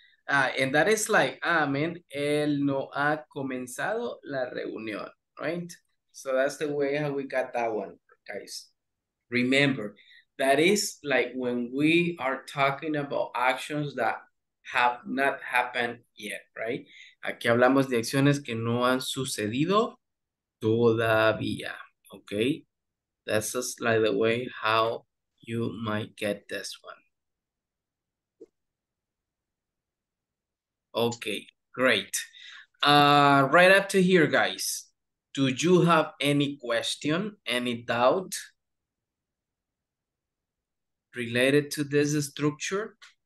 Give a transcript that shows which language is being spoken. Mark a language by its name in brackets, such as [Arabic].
[English] And that is like, [Spanish] él no ha comenzado la reunión, right? [English] So that's the way how we got that one, guys. Remember, that is like when we are talking about actions that have not happened yet, right? [Spanish] Aquí hablamos de acciones que no han sucedido todavía, okay? [English] That's just like the way how you might get this one. Okay, great. Right up to here, guys. Do you have any question, any doubt related to this structure?